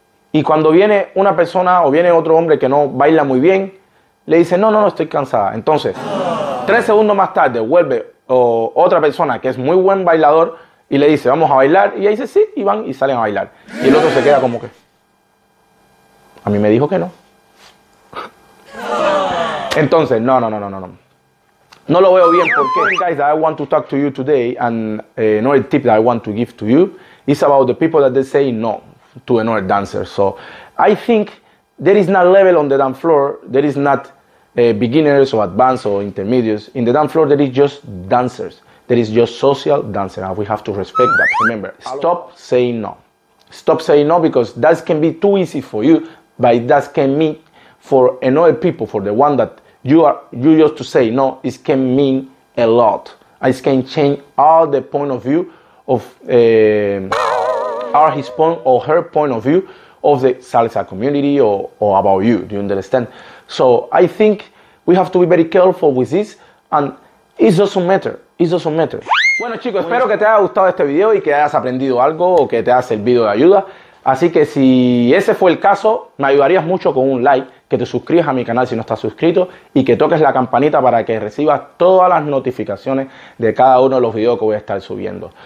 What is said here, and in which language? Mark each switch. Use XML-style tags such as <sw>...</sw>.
<es>Y cuando viene una persona o viene otro hombre que no baila muy bien, le dice, no, estoy cansada. Entonces, 3 segundos más tarde vuelve otra persona que es muy buen bailador y le dice, vamos a bailar. Y ella dice, sí, y van y salen a bailar. Y el otro se queda como que, a mí me dijo que no. Entonces, no. No lo veo bien porque,</es> <en>guys, I want to talk to you today and another tip that I want to give to you is about the people that they say no to another dancer. So I think there is not level on the dance floor. There is not beginners or advanced or intermediates. In the dance floor, there is just dancers. There is just social dancers. And we have to respect that. Remember, stop saying no. Stop saying no, because that can be too easy for you, but that can mean for another people, for the one that you used to say no, it can mean a lot. It can change all the point of view of are his point or her point of view of the salsa community or about you. Do you understand? So I think we have to be very careful with this, and it doesn't matter.</en> <es>Bueno, chicos, espero que te haya gustado este video y que hayas aprendido algo o que te haya servido de ayuda. Así que si ese fue el caso, me ayudarías mucho con un like, que te suscribas a mi canal si no estás suscrito y que toques la campanita para que recibas todas las notificaciones de cada uno de los videos que voy a estar subiendo.</es>